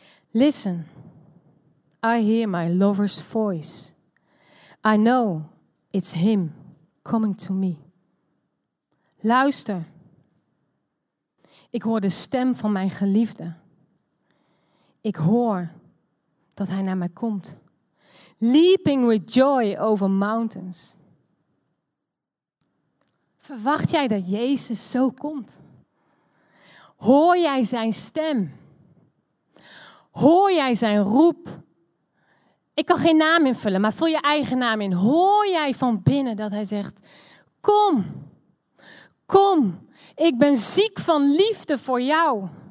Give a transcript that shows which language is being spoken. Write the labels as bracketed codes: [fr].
[en] Listen, I hear my lover's voice. I know it's him coming to me. [nl] Luister, ik hoor de stem van mijn geliefde. Ik hoor dat hij naar mij komt. [en] Leaping with joy over mountains. [nl] Verwacht jij dat Jezus zo komt? Hoor jij zijn stem? Hoor jij zijn roep? Ik kan geen naam invullen, maar vul je eigen naam in. Hoor jij van binnen dat hij zegt, kom, kom, ik ben ziek van liefde voor jou.